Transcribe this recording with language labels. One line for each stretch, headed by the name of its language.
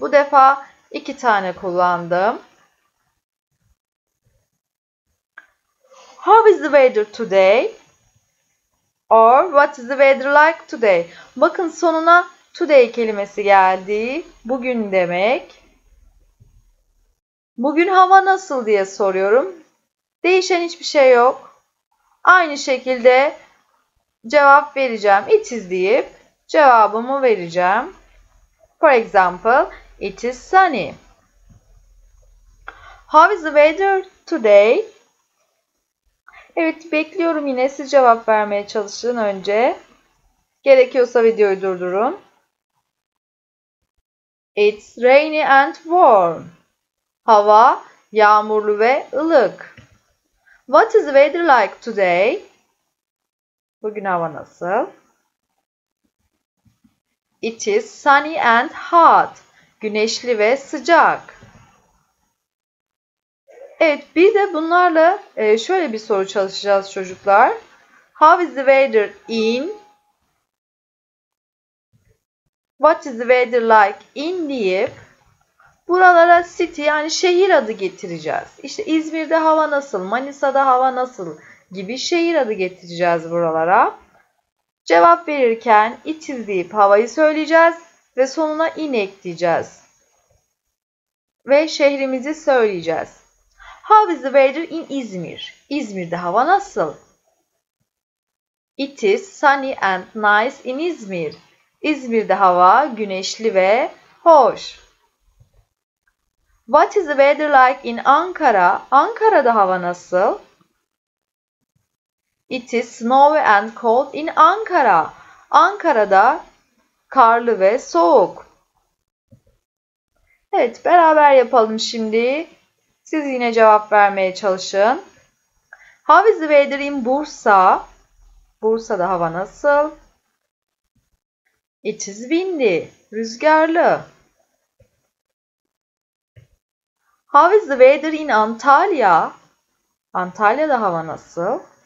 Turkish: Bu defa iki tane kullandım.
English: How is the weather today? Or what is the weather like today?
Turkish: Bakın sonuna today kelimesi geldi. Bugün demek. Bugün hava nasıl diye soruyorum. Değişen hiçbir şey yok. Aynı şekilde cevap vereceğim. It is deyip cevabımı vereceğim.
English: For example, it is sunny. How is the weather today?
Turkish: Evet, bekliyorum yine. Siz cevap vermeye çalışın önce. Gerekiyorsa videoyu durdurun.
English: It's rainy and warm.
Turkish: Hava yağmurlu ve ılık.
English: What is the weather like today?
Turkish: Bugün hava nasıl?
English: It is sunny and hot.
Turkish: Güneşli ve sıcak. Evet, bir de bunlarla şöyle bir soru çalışacağız çocuklar.
English: How is the weather in? What is the weather like in
Turkish: deyip buralara city yani şehir adı getireceğiz. İşte İzmir'de hava nasıl, Manisa'da hava nasıl gibi şehir adı getireceğiz buralara. Cevap verirken it is deyip havayı söyleyeceğiz ve sonuna in ekleyeceğiz. Ve şehrimizi söyleyeceğiz.
English: How is the weather in İzmir?
Turkish: İzmir'de hava nasıl?
English: It is sunny and nice in İzmir.
Turkish: İzmir'de hava güneşli ve hoş.
English: What is the weather like in Ankara?
Turkish: Ankara'da hava nasıl?
English: It is snowy and cold in Ankara.
Turkish: Ankara'da karlı ve soğuk. Evet, beraber yapalım şimdi. Siz yine cevap vermeye çalışın.
English: How is the weather in Bursa?
Turkish: Bursa'da hava nasıl?
English: It is windy.
Turkish: Rüzgarlı.
English: How is the weather in Antalya?
Turkish: Antalya'da hava nasıl?